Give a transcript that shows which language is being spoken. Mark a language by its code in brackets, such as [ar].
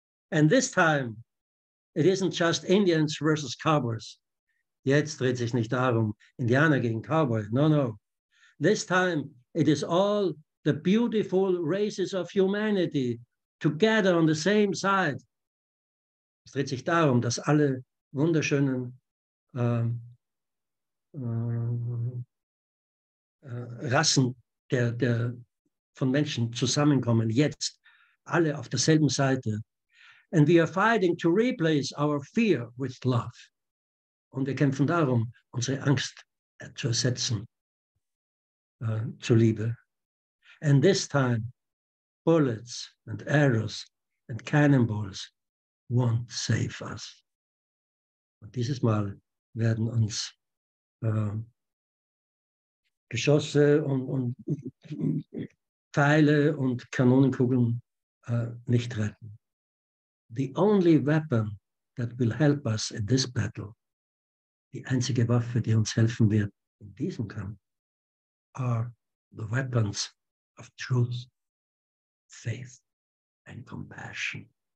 [en] And this time, it isn't just Indians versus Cowboys. [de] Jetzt dreht sich nicht darum, Indianer gegen Cowboys. [en] No, no. This time, it is all the beautiful races of humanity together on the same side. [de] Es dreht sich darum, dass alle wunderschönen Rassen von Menschen zusammenkommen, jetzt alle auf derselben Seite. [en] And we are fighting to replace our fear with love. [de] Und wir kämpfen darum, unsere Angst zu ersetzen, zu Liebe. [en] And this time, bullets and arrows and cannonballs won't save us. [de] Und dieses Mal werden uns Geschosse und Pfeile und Kanonenkugeln nicht retten. [en] The only weapon that will help us in this battle, [de] die einzige Waffe, die uns helfen wird in diesem Kampf, [en] are the weapons of truth, faith and compassion.